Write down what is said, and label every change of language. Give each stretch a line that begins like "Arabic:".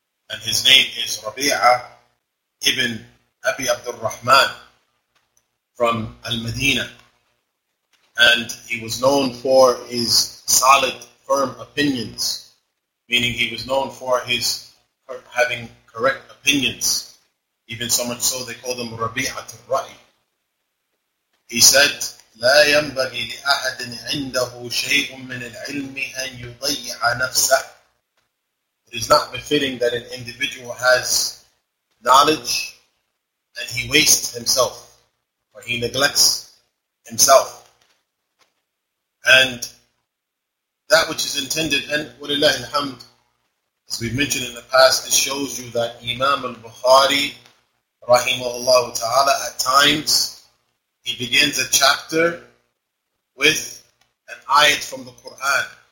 English: And his name is Rabi'ah ibn Abi Abdul Rahman from Al-Medina. And he was known for his solid, firm opinions, meaning he was known for his having correct opinions. Even so much so, they called him Rabi'ah al-Ra'i. He said,
Arabic: لَا يَنْبَغِي لِأَحَدٍ عِنْدَهُ شَيْءٌ مِّنَ الْعِلْمِ أَنْ يُضَيِّعَ نَفْسَهُ.
English: It is not befitting that an individual has knowledge and he wastes himself, or he neglects himself. And that which is intended, and walillahi alhamd, as we've mentioned in the past, this shows you that Imam al-Bukhari rahimahullah ta'ala, at times he begins a chapter with an ayat from the Quran,